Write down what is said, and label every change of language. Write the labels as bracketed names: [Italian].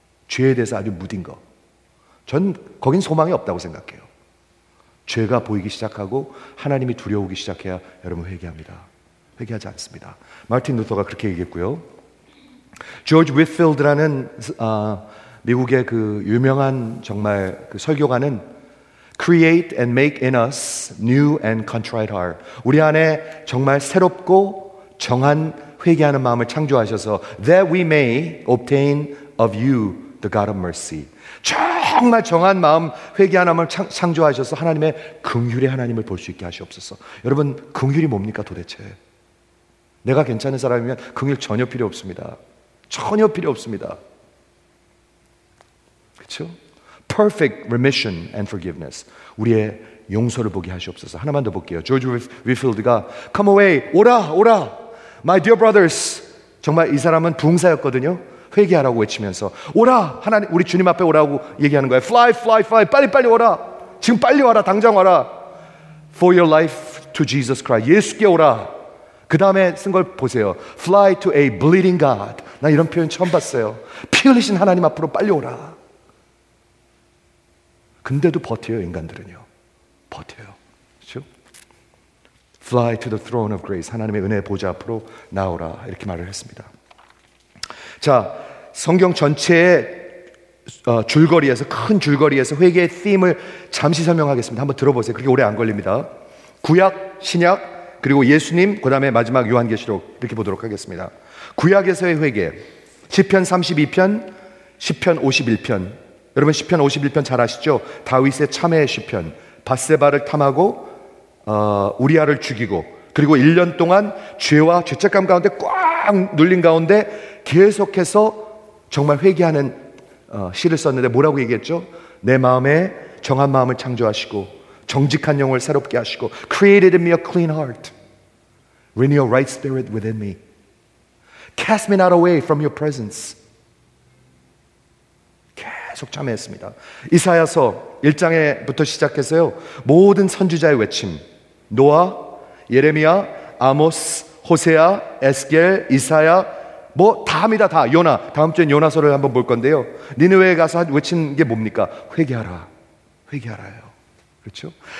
[Korean] 죄에 대해서 아주 무딘 거. 전 거긴 소망이 없다고 생각해요. 죄가 보이기 시작하고 하나님이 두려우기 시작해야 여러분 회개합니다. 회개하지 않습니다. 마틴 루터가 그렇게 얘기했고요. 조지 위필드라는 미국의 그 유명한 정말 그 설교가는 [English] Create and make in us new and contrite heart. [Korean] 우리 안에 정말 새롭고 정한 회개하는 마음을 창조하셔서 [English] that we may obtain of you the God of mercy. [Korean] 정말 정한 마음, 회개하는 마음을 창조하셔서 하나님의 긍휼의 하나님을 볼 수 있게 하시옵소서. 여러분, 긍휼이 뭡니까 도대체? 내가 괜찮은 사람이면 긍휼 전혀 필요 없습니다. 전혀 필요 없습니다. 그렇죠? [English] Perfect remission and forgiveness. [Korean] 우리의 용서를 보게 하시옵소서. 하나만 더 볼게요. [English] George Whitfield가 Come away, [Korean] 오라, 오라. [English] My dear brothers. [Korean] 정말 이 사람은 부흥사였거든요. 회개하라고 외치면서 오라, 하나님, 우리 주님 앞에 오라고 얘기하는 거예요. [English] Fly, fly, fly. [Korean] 빨리빨리 오라. 지금 빨리 와라. 당장 와라. [English] For your life to Jesus Christ. [Korean] 예수께 오라. 그 다음에 쓴 걸 보세요. [English] Fly to a bleeding God. [Korean] 나 이런 표현 처음 봤어요. 피 흘리신 하나님 앞으로 빨리 오라. 근데도 버텨요, 인간들은요. 버텨요. 그렇죠? [English] Fly to the throne of grace. [Korean] 하나님의 은혜 보좌 앞으로 나오라. 이렇게 말을 했습니다. 자, 성경 전체의 줄거리에서, 큰 줄거리에서 회개의 theme을 잠시 설명하겠습니다. 한번 들어보세요. 그렇게 오래 안 걸립니다. 구약, 신약, 그리고 예수님, 그 다음에 마지막 요한계시록 이렇게 보도록 하겠습니다. 구약에서의 회개, 시편 32편, 시편 51편. 여러분 시편 51편 잘 아시죠? 다윗의 참회의 시편, 바세바를 탐하고 우리아를 죽이고 그리고 1년 동안 죄와 죄책감 가운데 꽉 눌린 가운데 계속해서 정말 회개하는 시를 썼는데 뭐라고 얘기했죠? 내 마음에 정한 마음을 창조하시고 정직한 영을 새롭게 하시고 [English] Created in me a clean heart. Renew a right spirit within me. Cast me not away from your presence. [Korean] 계속 참회했습니다. 이사야서 1장부터 시작해서요. 모든 선지자의 외침. 노아, 예레미야, 아모스, 호세아, 에스겔, 이사야. 뭐 다 합니다. 다. 요나. 다음 주엔 요나서를 한번 볼 건데요. 니느웨에 가서 외친 게 뭡니까? 회개하라. 회개하라요. 그렇죠?